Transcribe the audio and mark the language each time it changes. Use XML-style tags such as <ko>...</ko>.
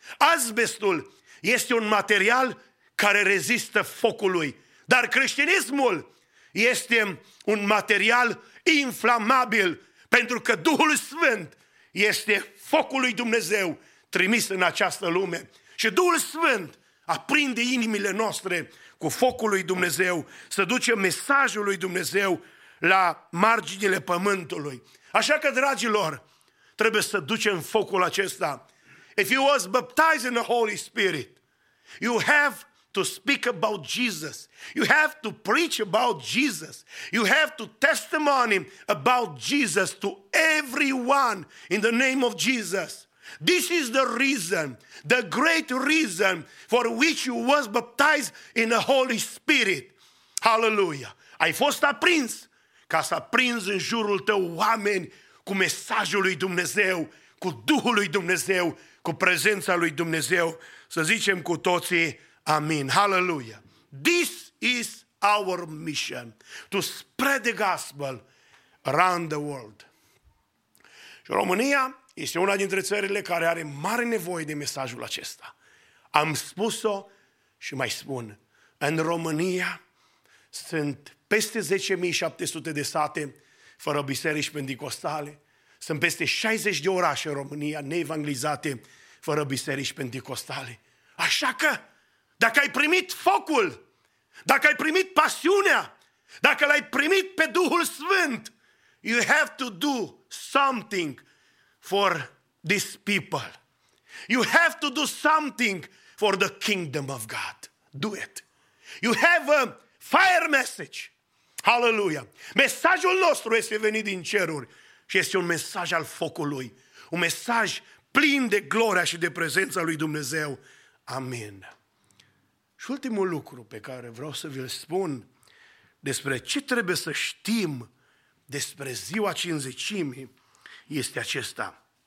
<ro>Azbestul este un material care rezistă focului, dar creștinismul este un material inflamabil, pentru că Duhul Sfânt este focul lui Dumnezeu trimis în această lume. Și Duhul Sfânt aprinde inimile noastre cu focul lui Dumnezeu, să duce mesajul lui Dumnezeu la marginile pământului. Așa că, dragilor, trebuie să ducem focul acesta.</ro> <en>If you was baptized in the Holy Spirit, you have to speak about Jesus. You have to preach about Jesus. You have to testimony about Jesus to everyone in the name of Jesus. This is the reason, the great reason for which you was baptized in the Holy Spirit. Hallelujah.</en> <ro>Ai fost aprins ca să aprinzi în jurul tău oameni cu mesajul lui Dumnezeu, cu Duhul lui Dumnezeu, cu prezența lui Dumnezeu, să zicem cu toții amin.</ro> <en>Hallelujah. This is our mission, to spread the gospel around the world.</en> <ro>Și România este una dintre țările care are mare nevoie de mesajul acesta. Am spus-o și mai spun. În România sunt peste 10.700 de sate fără biserici pentecostale. Sunt peste 60 de orașe în România neevanglizate fără biserici pentecostale. Așa că, dacă ai primit focul, dacă ai primit pasiunea, dacă l-ai primit pe Duhul Sfânt,</ro> <en>you have to do something for these people. You have to do something for the kingdom of God. Do it. You have a fire message. Hallelujah.</en> <ro>Mesajul nostru este venit din ceruri și este un mesaj al focului. Un mesaj plin de gloria și de prezența lui Dumnezeu. Amen. Și ultimul lucru pe care vreau să vi-l spun despre ce trebuie să știm despre ziua cincizecimii este acesta.</ro>